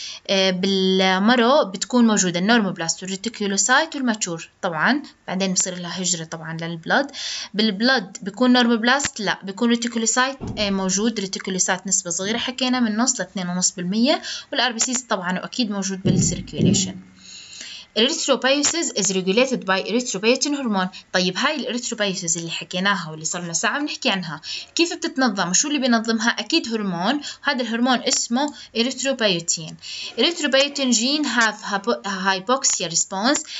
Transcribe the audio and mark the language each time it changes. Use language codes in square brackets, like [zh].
[ar] بالمرو بتكون موجودة النورموبلاست والريتيكولوسايت والماتشور طبعا، بعدين بصير لها هجرة طبعا للبلد. بالبلد بيكون نورموبلاست لا، بيكون ريتيكولوسايت موجود، ريتيكولوسايت نسبة صغيرة حكينا من 0.5 لـ 2.5%، والار بي سيز طبعا واكيد موجود بالسيركيوليشن. [en] Erythropoiesis is regulated by erythropoietin hormone. [ar] طيب هاي الإريثروبايوسيس اللي حكيناها واللي صار لنا ساعة بنحكي عنها كيف بتتنظم وشو اللي بينظمها؟ أكيد هرمون، وهذا الهرمون اسمه إريثروبايوتين. [en] Erythropoietin gene have hypoxia response.